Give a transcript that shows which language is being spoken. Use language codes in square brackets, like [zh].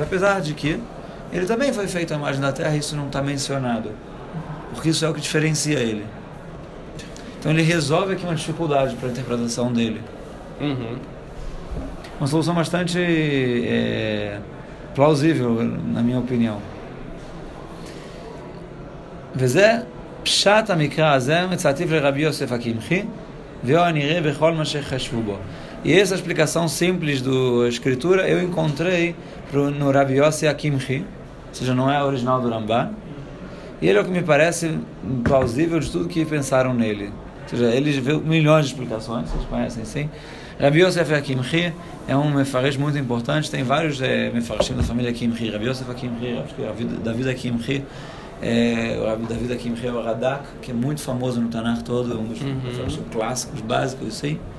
[pt] Apesar de que ele também foi feito a imagem da terra, isso não está mencionado, porque isso é o que diferencia ele. Então ele resolve aqui uma dificuldade para a interpretação dele. Uma solução bastante plausível, na minha opinião. [he] וזה פשט המקרא הזה מצטיף לרבי יוסף הקמחי ויהו הנראה בכל מה שחשבו בו. [pt] E essa explicação simples da escritura eu encontrei no Rabbi Yossi HaKimchi, ou seja, não é a original do Ramban, e ele é o que me parece plausível de tudo que pensaram nele. Ou seja, ele vê milhões de explicações, vocês conhecem, sim. Rabbi Yosef HaKimchi é um mefarej muito importante, tem vários mefarejim da família HaKimchi, Rabbi Yosef HaKimchi, David HaKimchi, David HaKimchi é o Radak, que é muito famoso no Tanakh todo, um dos mefarejim clássicos, básicos, sim.